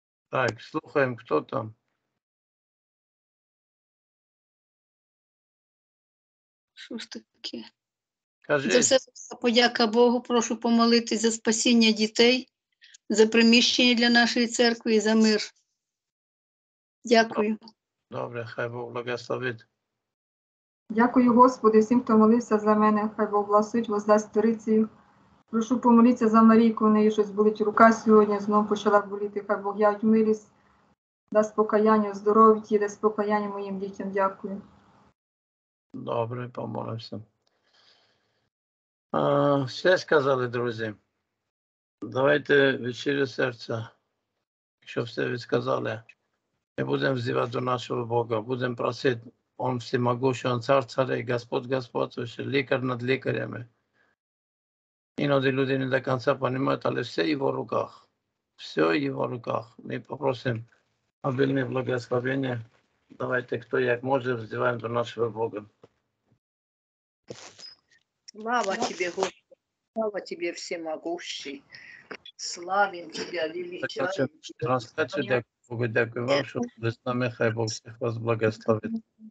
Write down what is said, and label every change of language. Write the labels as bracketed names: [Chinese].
[Russian] Так, слушаем, кто там? Что ж такое? Скажите. [Ukrainian] За все, подяка Богу, прошу помолитись за [Russian] спасение детей. [Ukrainian] За приміщення для нашої церкви і за мир. Дякую. Добре, хай Бог благословить. Дякую, Господи, всім, хто молився за мене. Хай Бог благословить, воздасть сторицею. Прошу помолитися за Марійку, у неї щось болить рука сьогодні, знову почала боліти. Хай Бог явить милість, дасть покаяння, оздоровить і дасть покаяння моїм дітям. Дякую. Добре, помолився. Все сказали, друзі. Давайте відчиню серця, якщо все ви сказали. Ми будемо взивати до нашого Бога, будемо просити. [Russian] Он всемогущий, [Ukrainian] Он цар царей, Господь Господь, лікар над лікарями. Іноді люди не до кінця розуміють, але все в Його руках. Все в Його руках. Ми попросимо обильне благословення. Давайте, хто як може, взиваємо до нашого Бога. Слава тобі, Господи. [Russian] Слава тебе, всемогущий. Славим тебя, величайший. [Ukrainian] Трансляцию дякую Богу, дякую вам, що ви з нами, хай Бог всіх вас благословить.